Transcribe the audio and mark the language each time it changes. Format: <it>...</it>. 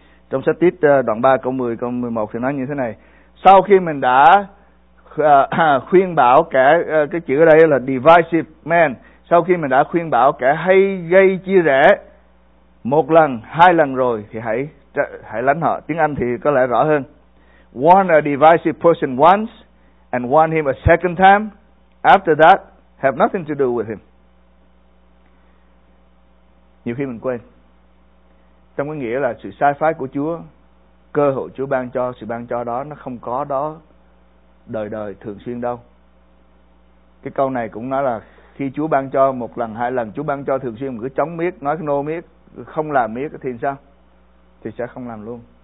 <vi>Trong sách Tít đoạn 3 câu 10 câu 11 thì nói như thế này: sau khi mình đã khuyên bảo kẻ, cái chữ ở đây là</vi> <en>divisive man,</en> <vi>sau khi mình đã khuyên bảo kẻ hay gây chia rẽ một lần, hai lần rồi thì hãy lánh họ. Tiếng Anh thì có lẽ rõ hơn:</vi> <en>warn a divisive person once and warn him a second time, after that have nothing to do with him.</en> <vi>Nhiều khi mình quên. Trong cái nghĩa là sự sai phái của Chúa, cơ hội Chúa ban cho, sự ban cho đó nó không có đó đời đời thường xuyên đâu. Cái câu này cũng nói là khi Chúa ban cho một lần, hai lần, Chúa ban cho thường xuyên, mình cứ chống miết, nói nô miết, không làm miết thì sao? Thì sẽ không làm luôn.</vi>